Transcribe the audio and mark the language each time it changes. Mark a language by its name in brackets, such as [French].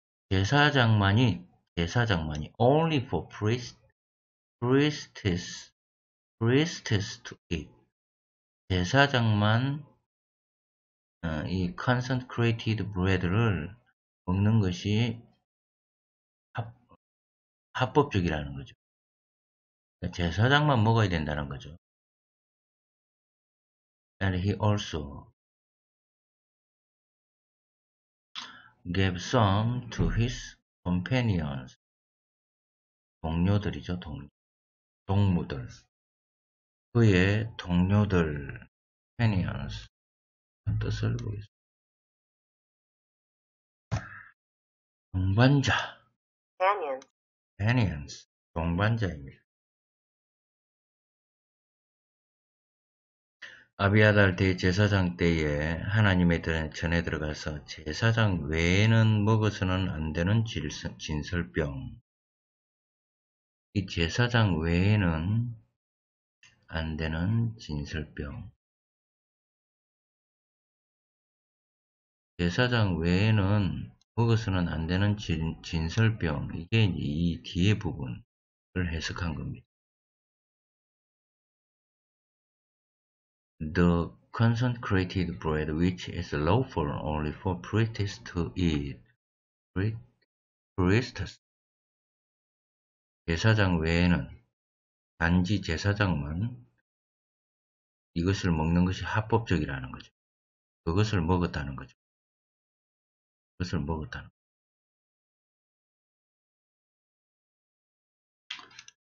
[Korean] 제사장만이 [English] only for priests to eat. [Korean] 제사장만 이 [English] consecrated bread [Korean] 를 먹는 것이 합법적이라는 거죠. 제사장만 먹어야 된다는 거죠. [English] And he also gave some to his companions. [Korean] 동료들이죠, 동무들. 그의 동료들, companions, 뜻을 보겠습니다. 동반자, [English] companions, [Korean] 동반자입니다. 아비아달 대제사장 때에 하나님의 전에 들어가서 제사장 외에는 먹어서는 안 되는 진설병. 이 제사장 외에는 안 되는 진설병. 제사장 외에는 먹어서는 안 되는 진설병. 이게 이 뒤에 부분을 해석한 겁니다. [English] The consecrated bread which is lawful only for priests to eat. Priests. [Korean] 제사장 외에는 단지 제사장만 이것을 먹는 것이 합법적이라는 거죠. 그것을 먹었다는 거죠. 그것을 먹었다는 거죠.